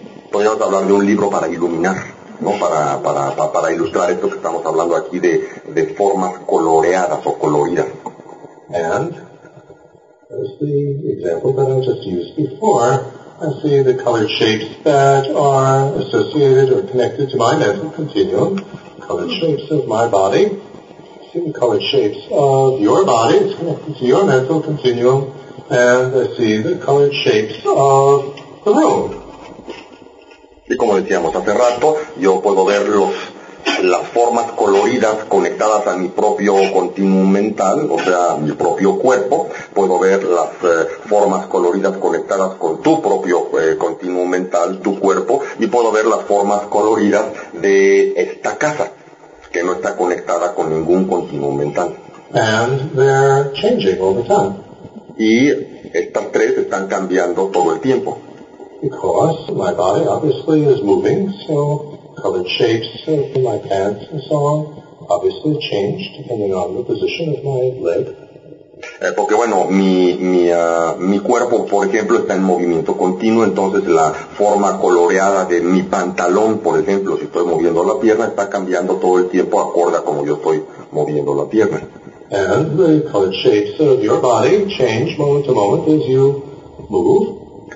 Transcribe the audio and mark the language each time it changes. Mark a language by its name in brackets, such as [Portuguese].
[Spanish] Podríamos hablar de un libro para iluminar, ¿no? Para ilustrar esto que estamos hablando aquí de formas coloreadas o coloridas. [English] And, as the example that I just used before, I see the colored shapes that are associated or connected to my mental continuum, colored shapes of my body. See the colored shapes of your body, it's connected to your mental continuum, and I see the colored shapes of the room. [Spanish] Y como decíamos hace rato, yo puedo ver las formas coloridas conectadas a mi propio continuum mental, o sea, mi propio cuerpo. Puedo ver las formas coloridas conectadas con tu propio continuum mental, tu cuerpo, y puedo ver las formas coloridas de esta casa, que no está conectada con ningún continuum mental. [English] And they're changing all the time. [Spanish] Y estas tres están cambiando todo el tiempo. [English] Because my body obviously is moving, so colored shapes of my pants and so on obviously change depending on the position of my leg. [Spanish] Porque bueno, mi cuerpo, por ejemplo, está en movimiento continuo, entonces la forma coloreada de mi pantalón, por ejemplo, si estoy moviendo la pierna, está cambiando todo el tiempo acorde a como yo estoy moviendo la pierna. [English] And the colored shapes of your body change moment to moment as you move.